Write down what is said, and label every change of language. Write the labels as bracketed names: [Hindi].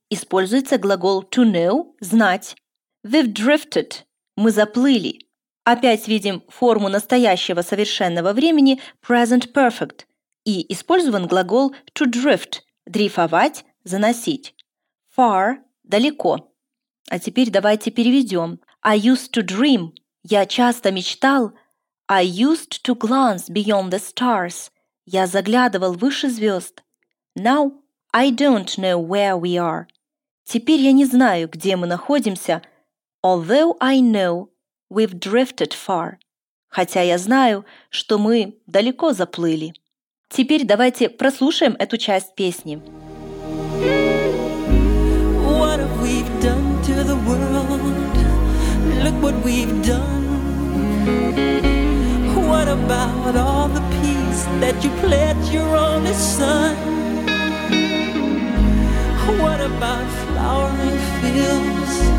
[Russian] Используется глагол to know – знать. We've drifted – мы заплыли. Опять видим форму настоящего совершенного времени – present perfect. И использован глагол to drift – дрейфовать, заносить. Far – далеко. А теперь давайте переведем. [English] I used to dream. [Russian] Я часто мечтал. [English] I used to glance beyond the stars. [Russian] Я заглядывал выше звезд. [English] Now I don't know where we are. [Russian] Теперь я не знаю, где мы находимся. [English] Although I know we've drifted far. [Russian] Хотя я знаю, что мы далеко заплыли. Теперь давайте прослушаем эту часть песни. [English] What have we done to the world? Look what we've done. What about all the peace that you pledged your only son? What about flowering fields?